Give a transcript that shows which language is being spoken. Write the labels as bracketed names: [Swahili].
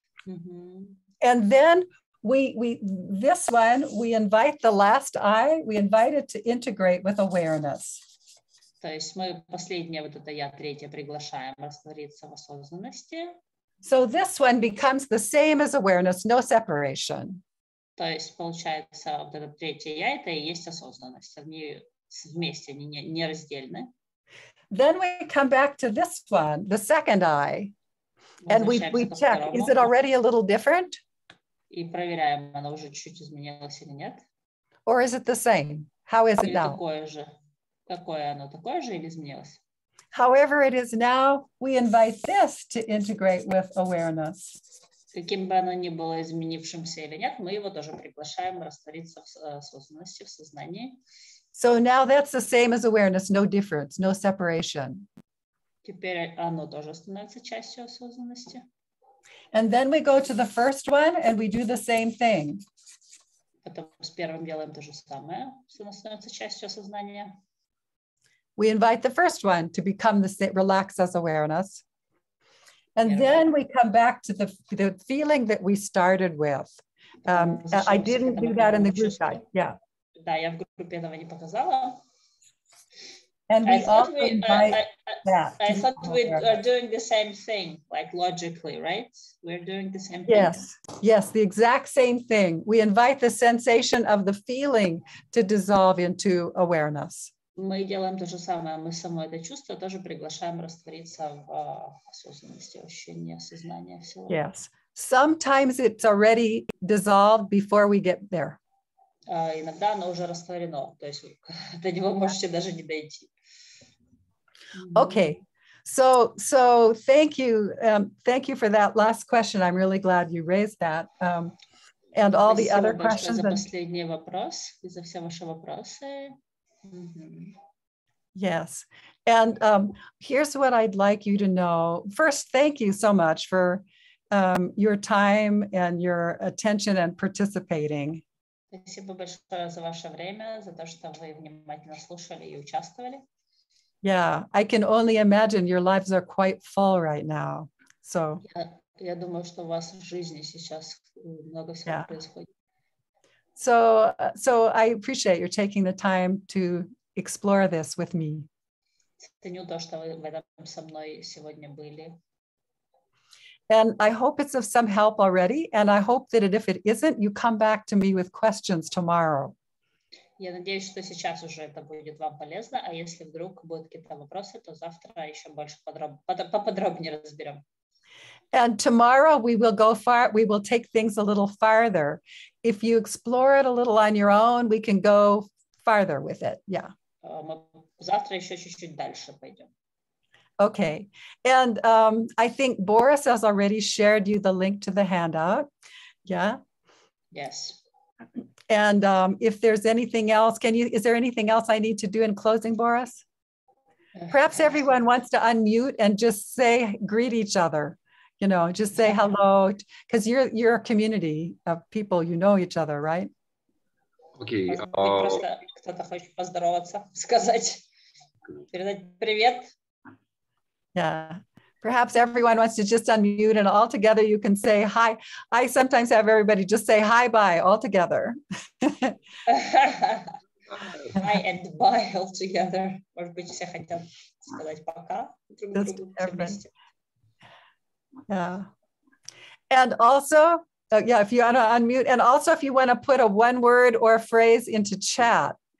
[English] Mm-hmm. And then We invite the last eye, we invite it to integrate with awareness. [Russian] То есть мы последнее вот это я третье приглашаем раствориться в осознанности. [English] So this one becomes the same as awareness, no separation. [Russian] То есть получается вот это третье я это и есть осознанность, они вместе, они не раздельны. [English] Then we come back to this one, the second eye, and we check, is it already a little different? [Russian] И проверяем, она уже чуть-чуть изменилась или нет. [English] Or is it the same? How is it now? [Russian] Такое же. Какое оно? Такое же или изменилось? [English] However it is now, we invite this to integrate with awareness. [Russian] Каким бы оно ни было изменившимся или нет, мы его тоже приглашаем раствориться в осознанности, в сознании. [English] So now that's the same as awareness, no difference, no separation. [Russian] Теперь оно тоже становится частью осознанности. [English] And then we go to the first one and we do the same thing. [Russian] Потом с первым делаем то же самое, что оно становится частью осознания. [English] We invite the first one to become the same, relax as awareness. And then we come back to the feeling that we started with. I didn't do that in the group guide. Yeah. [Russian] Да, я в группе этого не показала. [English] And we also invite I thought we are doing the same thing, like logically, right? We're doing the same thing. Yes, yes, the exact same thing. We invite the sensation of the feeling to dissolve into awareness. [Russian] Мы делаем то же самое. Мы само это чувство тоже приглашаем раствориться в осознанности, ощущение сознания. [English] Yes. Sometimes it's already dissolved before we get there. [Russian] Иногда оно уже растворено, то есть до него можете даже не дойти. [English] Okay, so thank you. Thank you for that last question. I'm really glad you raised that. And all the other questions. [Russian] Спасибо большое за последний вопрос и за все ваши вопросы. [English] Yes, and here's what I'd like you to know. First, thank you so much for your time and your attention and participating. [Russian] Спасибо большое за ваше время, за то, что вы внимательно слушали и участвовали. [English] Yeah, I can only imagine your lives are quite full right now. So. [Russian] Я думаю, что у вас в жизни сейчас много всего происходит. [English] So I appreciate you taking the time to explore this with me. [Russian] Ценю то, что вы в этом со мной сегодня были. [English] And I hope it's of some help already. And I hope that if it isn't, you come back to me with questions tomorrow. [Russian] Я надеюсь, что сейчас уже это будет вам полезно, а если вдруг будут какие-то вопросы, то завтра еще больше поподробнее разберем. [English] And tomorrow we will go far. We will take things a little farther. If you explore it a little on your own, we can go farther with it. Yeah. [Russian] Завтра еще чуть-чуть дальше пойдем. [English] Okay, and I think Boris has already shared you the link to the handout, yeah? Yes. And if there's anything else, is there anything else I need to do in closing, Boris? Perhaps everyone wants to unmute and just say, greet each other, you know, just say hello, because you're a community of people, you know each other, right? Okay. [Russian] Кто-то хочет поздороваться, сказать, передать привет. [English] Yeah, perhaps everyone wants to just unmute and all together you can say hi. I sometimes have everybody just say hi, bye, all together. Hi and bye all together. [Russian] Может быть, все хотят сказать пока. [English] Just everybody. Yeah. And also, if you want to unmute, and also if you want to put a one word or a phrase into chat.